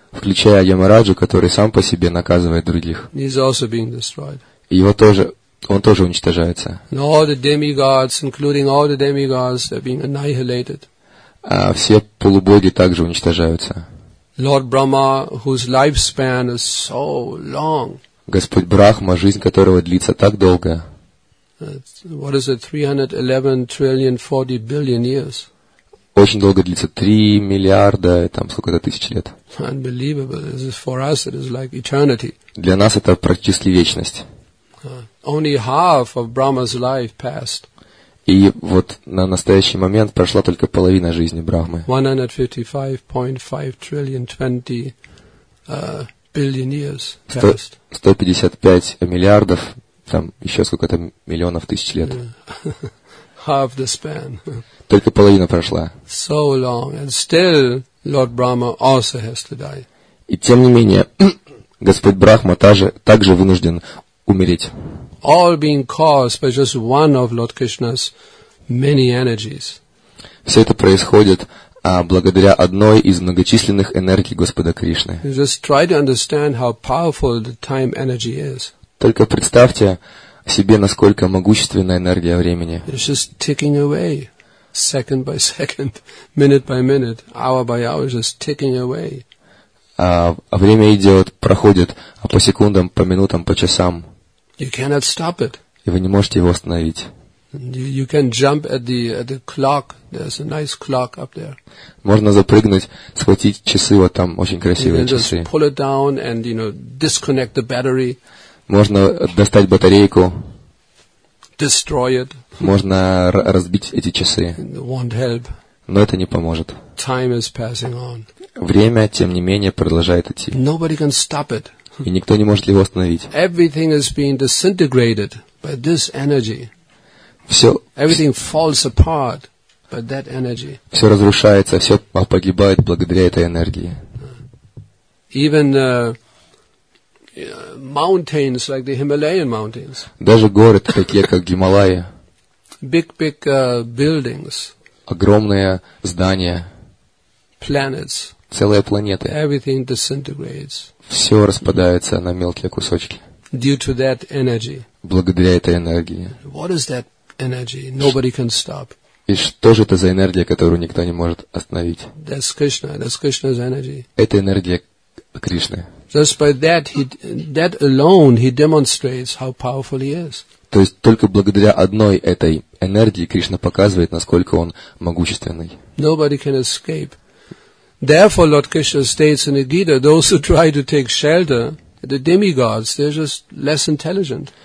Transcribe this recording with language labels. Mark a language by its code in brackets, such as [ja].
[ru] Включая Ямараджу, который сам по себе наказывает других. [en] He's also being destroyed. [ru] Его тоже, он тоже уничтожается. [en] And all the demigods, including all the demigods, are being annihilated. [ru] Все полубоги также уничтожаются. [en] Lord Brahma, whose lifespan is so long. [ru] Господь Брахма, жизнь которого длится так долго. [en] What is it, 311 trillion 40 billion years? [ru] Очень долго длится, 3 миллиарда, там сколько-то тысяч лет. [en] Unbelievable. This is, for us, it is like eternity. [ru] Для нас это практически вечность. [en] Only half of Brahma's life passed. [ru] И вот на настоящий момент прошла только половина жизни Брахмы. [en] 155.5 trillion 20 billion years passed. [ru] 155 миллиардов, там еще сколько-то миллионов тысяч лет. [en] Yeah. Half the span. [ru] Только половина прошла. [en] So long, and still Lord Brahma also has to die. [ru] И тем не менее, Господь Брахма также вынужден умереть. [en] All being caused by just one of Lord Krishna's many energies. [ru] Все это происходит благодаря одной из многочисленных энергий Господа Кришны. [en] Just try to understand how powerful the time energy is. [ru] Только представьте себе, насколько могущественна энергия времени. [en] It's just ticking away, second by second, minute by minute, hour by hour, just ticking away. [ru] Время идет, проходит по секундам, по минутам, по часам. [en] You cannot stop it. [ru] И вы не можете его остановить. [en] You can jump at the clock. There's a nice clock up there. [ru] Можно запрыгнуть, схватить часы, вот там очень красивые [en] you can [ru] часы. [en] Just pull it down and, you know, disconnect the battery. [ru] Можно достать батарейку. [en] Destroy it. [ru] Можно разбить эти часы. [en] It won't help. [ru] Но это не поможет. [en] Time is passing on. [ru] Время, тем не менее, продолжает идти. [en] Nobody can stop it. [ru] И никто не может его остановить. [en] Everything is being disintegrated by this energy. [ru] Все, [en] everything falls apart by that energy. [ru] Все разрушается, все погибает благодаря этой энергии. [en] Even mountains like the Himalayan mountains. [ru] Даже горы такие, как Гималаи. [en] Big buildings. [ru] Огромные здания. [en] Planets. [ru] целые планеты. [en] Everything disintegrates. [ru] Все распадается на мелкие кусочки. [en] Due to that energy. [ru] Благодаря этой энергии. [en] What is that energy? Nobody can stop. [ru] И что же это за энергия, которую никто не может остановить? [en] That's Krishna. That's Krishna's energy. [ru] Это энергия Кришны. [en] Just by that, that alone, he demonstrates how powerful he is. [ru] То есть только благодаря одной этой энергии Кришна показывает, насколько он могущественный. [en] Nobody can escape. Therefore, Lord Krishna states in the Gita, those who try to take shelter, the demigods, they're just less intelligent.